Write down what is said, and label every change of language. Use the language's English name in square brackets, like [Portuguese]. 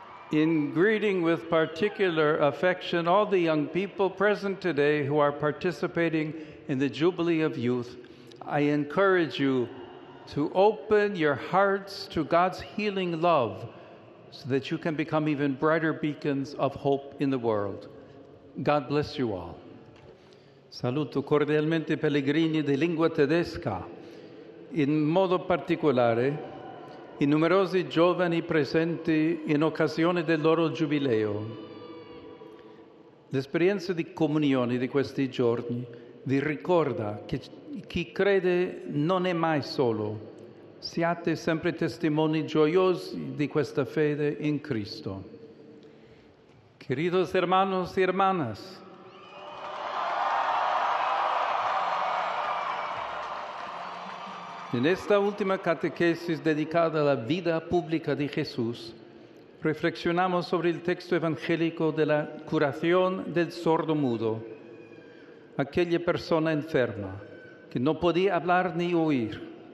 [English] In greeting with particular affection all the young people present today who are participating in the Jubilee of Youth, I encourage you to open your hearts to God's healing love so that you can become even brighter beacons of hope in the world. God bless you all. [Italian] Saluto cordialmente i pellegrini di lingua tedesca, in modo particolare i numerosi giovani presenti in occasione del loro giubileo. L'esperienza di comunione di questi giorni vi ricorda che chi crede non è mai solo. Siate sempre testimoni gioiosi di questa fede in Cristo. [Spanish] Queridos hermanos y hermanas, en esta última catequesis dedicada a la vida pública de Jesús, reflexionamos sobre el texto evangélico de la curación del sordo mudo, aquella persona enferma que no podía hablar ni oír.